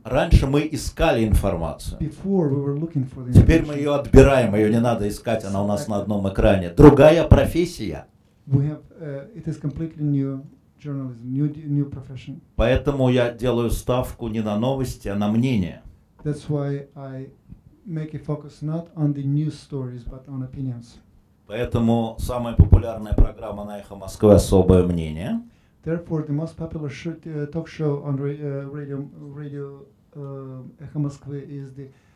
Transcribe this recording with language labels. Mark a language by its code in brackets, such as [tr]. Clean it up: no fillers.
[ru] Раньше мы искали информацию. [en] Before we were looking for the. [ru] Теперь мы ее отбираем, ее не надо искать, она у нас на одном экране. Другая профессия. [en] We have, it is completely new journalism, new profession. [ru] Поэтому я делаю ставку не на новости, а на мнение. [en] That's why I make a focus not on the news stories, but on opinions. [ru] Поэтому самая популярная программа на Эхо Москвы «Особое мнение». [en] Therefore, the most popular talk show on radio Echo Moskvy is the.